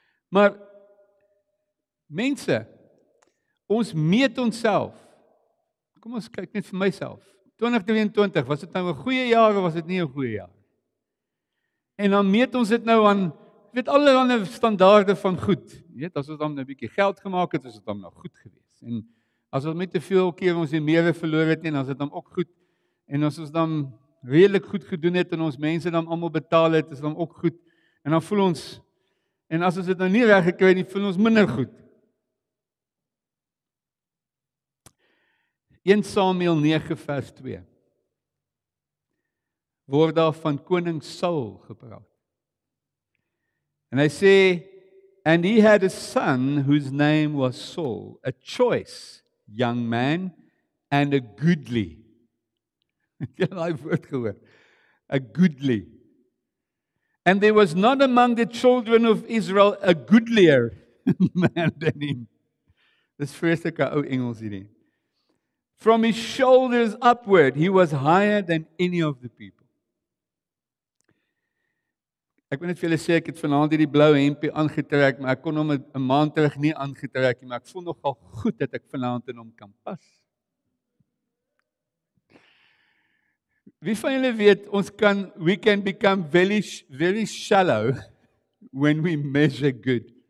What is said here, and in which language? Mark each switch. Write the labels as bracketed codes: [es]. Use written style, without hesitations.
[af] Maar mense, ons meet onsself. Kom ons kyk net vir myself. 2023, was dit nou 'n goeie jaar of was dit nie 'n goeie jaar? En dan meet ons dit nou aan jy weet allerlei standaarde van goed. Jy weet, as ons dan 'n bietjie geld gemaak het, was dit dan nog goed geweest. En as ons met te veel keer ons die meere verloor het, en as dit dan ook goed, en as ons dan redelik goed gedoen het en ons mense dan allemaal betaal het, is dan ook goed. En dan voel ons, en as ons dit nou nie reg gekry nie, voel ons minder goed. 1 Samuel 9 vers 2 word daar van koning Saul gepraat. En hy sê, [en] and he had a son whose name was Saul, a choice young man and a goodly. [af] Jy het daai woord gehoor. [en] A goodly. And there was not among the children of Israel a goodlier man than him. [af] Dis vreeslike ou Engels hierdie. [en] From his shoulders upward, he was higher than any of the people. [af] Ek wil net vir julle sê, ek het vanavond hierdie blou hempie aangetrek, maar ek kon hom 'n maand terug nie aangetrek nie, maar ek voel nogal goed dat ek vanavond in hom kan pas. Wie van julle weet, ons kan, [en] we can become very, very shallow when we measure good.